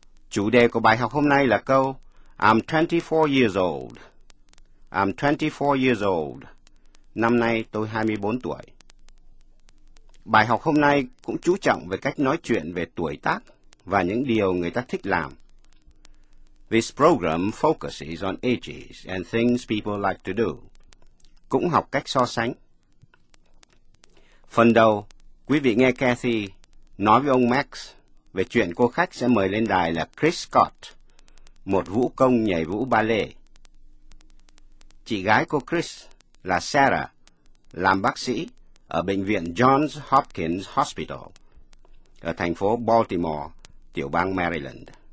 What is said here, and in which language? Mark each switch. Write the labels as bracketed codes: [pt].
[vi] Chủ đề của bài học hôm nay là câu [en] I'm 24 years old. I'm 24 years old. [vi] Năm nay tôi 24 tuổi. Bài học hôm nay cũng chú trọng về cách nói chuyện về tuổi tác và những điều người ta thích làm. [en] This program focuses on ages and things people like to do. [vi] Cũng học cách so sánh. Phần đầu, quý vị nghe Kathy nói với ông Max về chuyện cô khách sẽ mời lên đài là Chris Scott, một vũ công nhảy vũ ballet. Chị gái cô Chris là Sarah, làm bác sĩ ở bệnh viện Johns Hopkins Hospital ở thành phố Baltimore, tiểu bang Maryland.